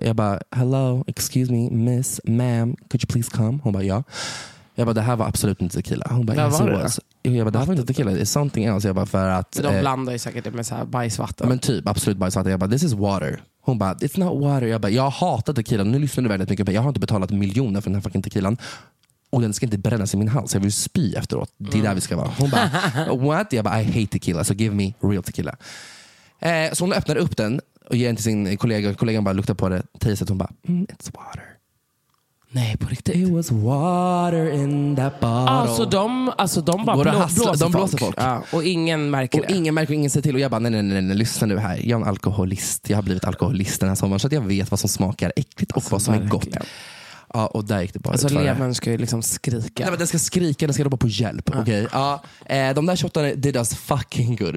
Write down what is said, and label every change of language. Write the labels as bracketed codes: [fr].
[sv] Jag bara, [en] hello, excuse me, miss, ma'am, could you please come? [sv] Hon bara, ja. Jag bara, det här var absolut inte tequila. Hon bara, yes, var det? Jag bara, det här var inte tequila. [en] It's something else. [sv] Jag bara, för att de blandar ju säkert med så här bajsvatten. Men typ, absolut bajsvatten. Jag bara, [en] this is water. [sv] Hon bara, [en] it's not water. [sv] Jag bara, jag hatar tequila. Nu lyssnar du väldigt mycket. Jag har inte betalat miljoner för den här fucking tequilan. Och den ska inte brännas i min hals. Jag vill spy efteråt. Det är där vi ska vara. Hon bara, [en] what? [sv] Jag bara, [en] I hate tequila. So give me real tequila. [sv] Så hon öppnar upp den och ger den till sin kollega. Kollegan bara luktar på det. Tiset, hon bara, [en] it's water. [sv] Nej, på riktigt. [en] It was water in that bottle. [sv] Alltså de bara blåser folk. Ja. Och ingen märker det. Ingen säger till. Och jag bara, nej, lyssna nu här. Jag är en alkoholist. Jag har blivit alkoholist den här sommaren. Så att jag vet vad som smakar äckligt och alltså, vad som är gott. Ja, och där gick det bara alltså, levern ska ju liksom skrika. Nej, men den ska skrika. Den ska ropa på hjälp. Ja. Okej, okay? Ja. De där shotarna, det är deras fucking good.